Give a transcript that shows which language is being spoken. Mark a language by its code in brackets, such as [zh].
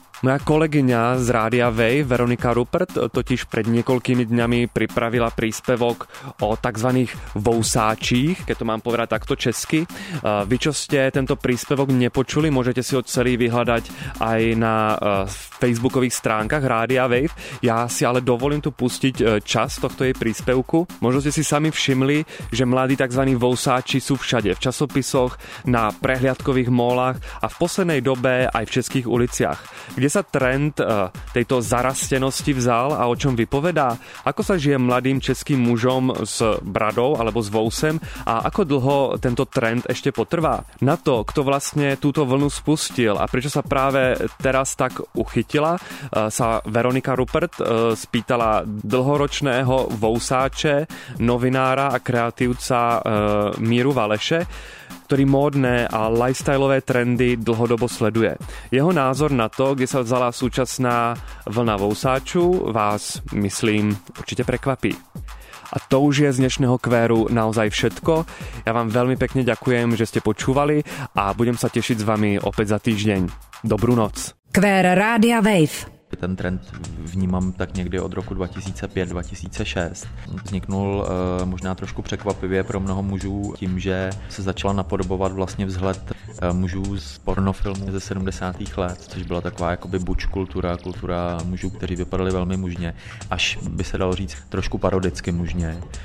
[sk] Moja kolegyňa z rádia Wave, Veronika Rupert, totiž pred niekoľkými dňami pripravila príspevok o tzv. Vousáčích, keď to mám povedať takto česky. Vy, čo ste tento príspevok nepočuli, môžete si ho celý vyhľadať aj na facebookových stránkach rádia Wave. Ja si ale dovolím tu pustiť čas tohto jej príspevku. Možno ste si sami všimli, že mladí tzv. Vousáči sú všade, v časopisoch, na prehliadkových mólach a v poslednej dobe aj v českých uliciach. Kde sa trend tejto zarastenosti vzal a o čom vypovedá? Ako sa žije mladým českým mužom s bradou alebo s vousem a ako dlho tento trend ešte potrvá? Na to, kto vlastne túto vlnu spustil a prečo sa práve teraz tak uchytila, sa Veronika Rupert spýtala dlhoročného vousáče, novinára a kreatívca Míru Valeše, ktorý módne a lifestyleové trendy dlhodobo sleduje. Jeho názor na to, kde sa vzala súčasná vlna vousáču, vás, myslím, určite prekvapí. A to už je z dnešného kvéru naozaj všetko. Ja vám veľmi pekne ďakujem, že ste počúvali a budem sa tešiť s vami opäť za týždeň. Dobrú noc. Kvér Rádia Wave. [cs] Ten trend vnímám tak někdy od roku 2005-2006. Vzniknul možná trošku překvapivě pro mnoho mužů tím, že se začala napodobovat vlastně vzhled mužů z pornofilmu ze 70. let, což byla taková jakoby butch kultura, kultura mužů, kteří vypadali velmi mužně, až by se dalo říct trošku parodicky mužně.